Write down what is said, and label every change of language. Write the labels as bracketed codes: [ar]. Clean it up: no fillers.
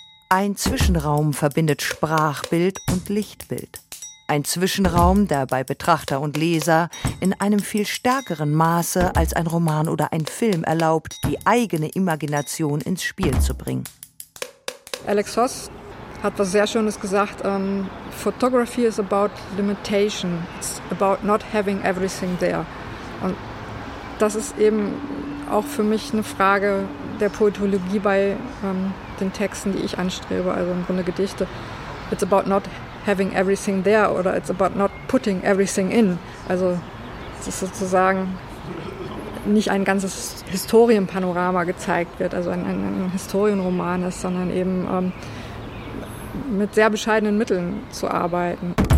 [de] Ein Zwischenraum verbindet Sprachbild und Lichtbild. Ein Zwischenraum, der bei Betrachter und Leser in einem viel stärkeren Maße als ein Roman oder ein Film erlaubt, die eigene Imagination ins Spiel zu bringen. Alex Hoss, hat was sehr Schönes gesagt. [en] Photography is about limitation. It's about not having everything there. [de] Und das ist eben auch für mich eine Frage der Poetologie bei den Texten, die ich anstrebe, also im Grunde Gedichte. [en] It's about not having everything there oder it's about not putting everything in. [de] Also es ist sozusagen nicht ein ganzes Historienpanorama gezeigt wird, also ein Historienroman ist, sondern eben mit sehr bescheidenen Mitteln zu arbeiten.